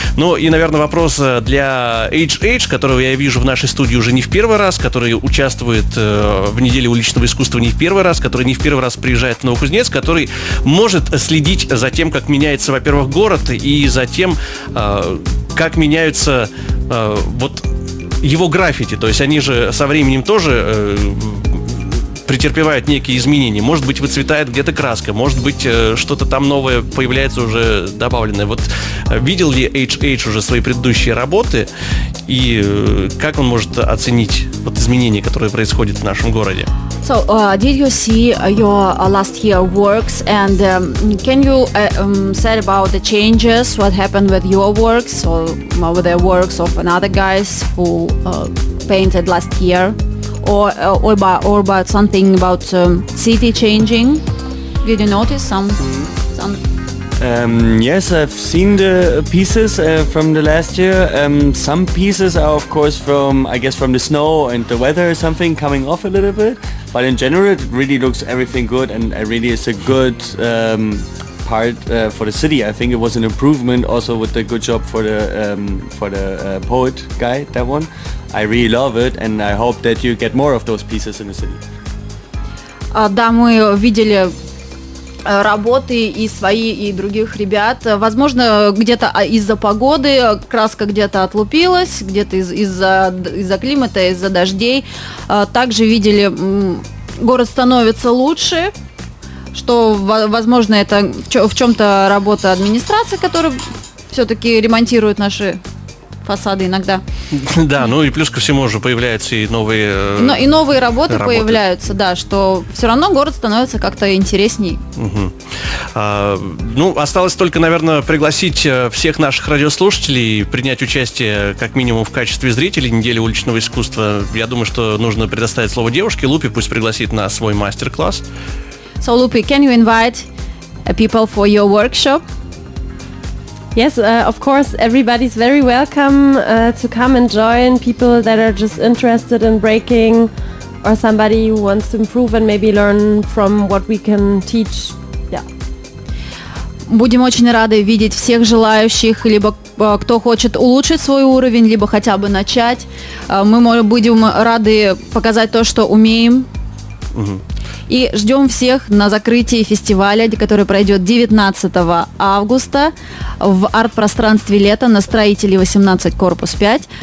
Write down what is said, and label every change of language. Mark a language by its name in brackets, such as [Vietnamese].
[Russian] Ну и, наверное, вопрос для HH, которого я вижу в нашей студии уже не в первый раз, который участвует в неделе уличного искусства не в первый раз, который не в первый раз приезжает в Новокузнецк, который может следить за тем, как меня, во-первых, город, и затем как меняются вот его граффити, то есть они же со временем тоже претерпевают некие изменения, может быть, выцветает где-то краска, может быть, что-то там новое появляется уже добавленное. Вот видел ли HH уже свои предыдущие работы, и как он может оценить вот изменения, которые происходят в нашем городе? [English] So, did you see your last year works, and can you say about the changes, what happened with your works or with the works of another guys who painted last year? Or about something about city changing? Did you notice some? Yes, I've seen the pieces from the last year. Some pieces are, of course, from the snow and the weather, something coming off a little bit. But in general, it really looks everything good, and it really is a good part for the city. I think it was an improvement also with the good job for the poet guy, that one. I really love it, and I hope that you get more of those pieces in the city. [Russian] Да, мы видели работы и свои, и других ребят. Возможно, где-то из-за погоды краска где-то отлупилась, где-то из-за климата, из-за дождей. Также видели, город становится лучше, что, возможно, это в чем-то работа администрации, которая все-таки ремонтирует наши фасады иногда. Да, ну и плюс ко всему же появляются и новые... И новые работы появляются, да, что все равно город становится как-то интересней. Угу. Ну, осталось только, наверное, пригласить всех наших радиослушателей принять участие как минимум в качестве зрителей недели уличного искусства. Я думаю, что нужно предоставить слово девушке Лупе, пусть пригласит на свой мастер-класс. [English] So, Lupe, can you invite people for your workshop? Yes, of course, everybody's very welcome to come and join, people that are just interested in breaking, or somebody who wants to improve and maybe learn from what we can teach. Yeah. [Russian] Будем очень рады видеть всех желающих, либо кто хочет улучшить свой уровень, либо хотя бы начать. Мы будем рады показать то, что умеем. Mm-hmm. И ждем всех на закрытии фестиваля, который пройдет 19 августа в арт-пространстве «Лето» на Строителей 18, корпус 5.